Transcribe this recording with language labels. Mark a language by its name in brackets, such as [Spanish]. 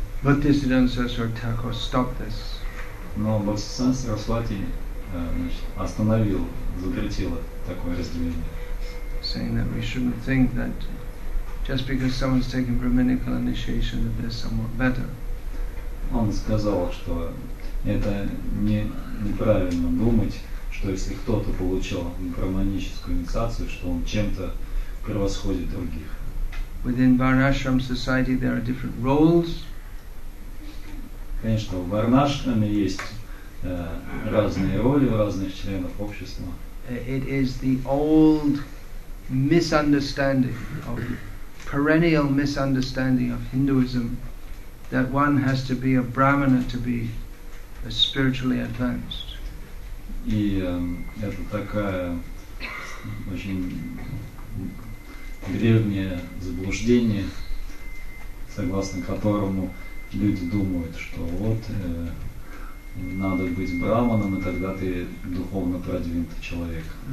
[English] Bhaktisiddhanta Saraswati Thakur stopped this. [Russian] Но Бхактисиддханта Сарасвати остановил, запретил такое разделение. [English] Saying that we shouldn't think that just because someone's taking brahminical initiation that they're somewhat better. [Russian] Он сказал, что это неправильно думать, что если кто-то получил брахманическую инициацию, что он чем-то превосходит других. [English] Within Varnashram society there are different roles. [Russian] Конечно, в варнашраме есть разные роли у разных членов общества. [English] It is the old misunderstanding, of perennial misunderstanding of Hinduism, that one has to be a brahmana to be spiritually advanced. [Russian] И это такая очень древнее заблуждение, согласно которому люди думают, что вот надо быть брахманом, и тогда ты духовно продвинутый человек.